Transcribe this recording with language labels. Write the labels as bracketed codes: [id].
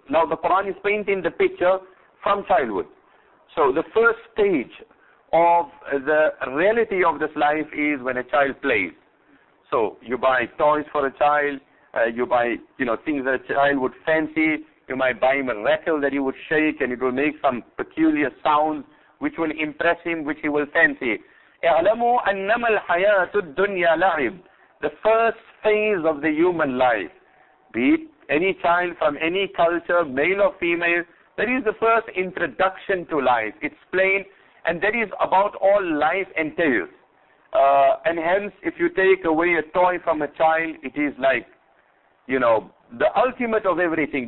[en] Now the Quran is painting the picture from childhood. So the first stage of the reality of this life is when a child plays. So you buy toys for a child, you buy, you know, things that a child would fancy. You might buy him a rattle that he would shake and it will make some peculiar sounds which will impress him, which he will fancy. [ar] اعلموا أنما الحياة الدنيا لعب. [en] The first phase of the human life, be it any child from any culture, male or female, that is the first introduction to life. It's plain, and that is about all life entails. And hence, if you take away a toy from a child, it is like, you know, the ultimate of everything.